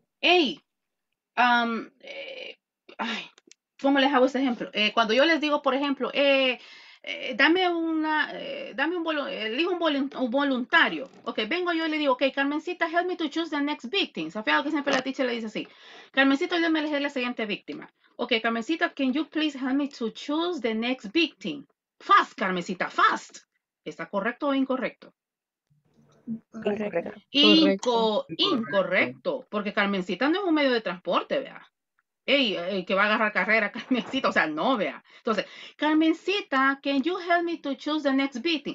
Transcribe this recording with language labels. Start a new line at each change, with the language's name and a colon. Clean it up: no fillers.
Spanish: Hey, ¿cómo les hago ese ejemplo? Cuando yo les digo, por ejemplo, un voluntario.
English: Ok,
Spanish: vengo yo y le digo,
English: ok, Carmencita, help me to choose the next victim.
Spanish: Se ha fijado que siempre la teacher le dice así. Carmencita, ayúdame a elegir la siguiente víctima.
English: Ok, Carmencita, can you please help me to choose the next victim? Fast, Carmencita, fast.
Spanish: ¿Está correcto o incorrecto? Incorrecto. Incorrecto, porque Carmencita no es un medio de transporte, ¿verdad? Hey, hey, que va a agarrar carrera, Carmencita. O sea, no, vea.
English: Entonces, Carmencita, can you help me to choose the next beating?